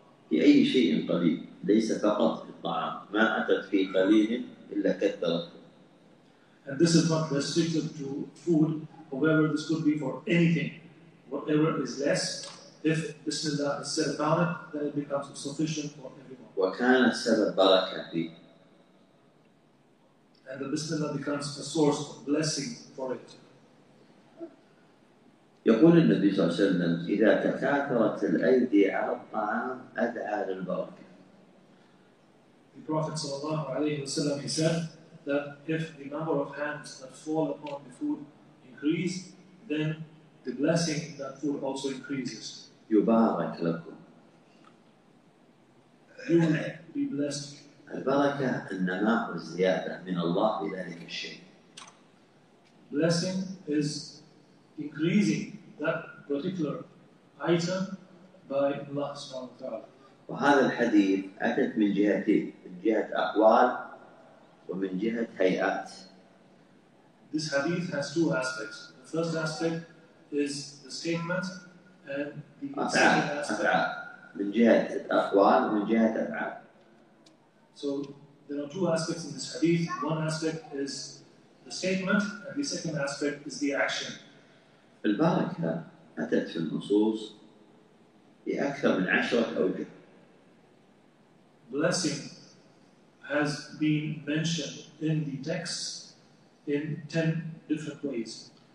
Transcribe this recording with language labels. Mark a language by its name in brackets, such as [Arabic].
[Arabic] في أي شيء قليل ليس فقط في الطعام ما أتت في قليل إلا كثرت. [English] And this is not restricted to food. However, this could be for anything. Whatever is less, if Bismillah is said about it, then it becomes sufficient for everyone. [Arabic] وَكَانَ السَّبَبْ بَرَكَةً. [English] And the Bismillah becomes a source of blessing for it. [Arabic] يقول النبي صلى الله عليه وسلم إِذَا تَكَاثَرَتْ الْأَيْدِي عَلَى الطَّعَامِ أَدْعَى لِلْبَرَكَةِ. [English] The Prophet صلى الله عليه وسلم, he said that if the number of hands that fall upon the food increase, then the blessing in that food also increases. [Arabic] يبارك لكم. [English] You will be blessed. [Arabic] البركة النماء والزيادة من الله بذلك الشيء. [English] Blessing is increasing that particular item by Allah سبحانه وتعالى. [Arabic] وهذا الحديث أتت من جهتين, من جهة أقوال ومن جهة هيئات. [English] This hadith has two aspects. The first aspect is the statement and the second aspect. [Arabic] من جهة الأقوال ومن جهة الأفعال. [English] So there are two aspects in this hadith. One aspect is the statement and the second aspect is the action. [Arabic] البركة أتت في النصوص بأكثر من عشرة أوجه. [English] Blessing has been mentioned in the texts in 10 different ways.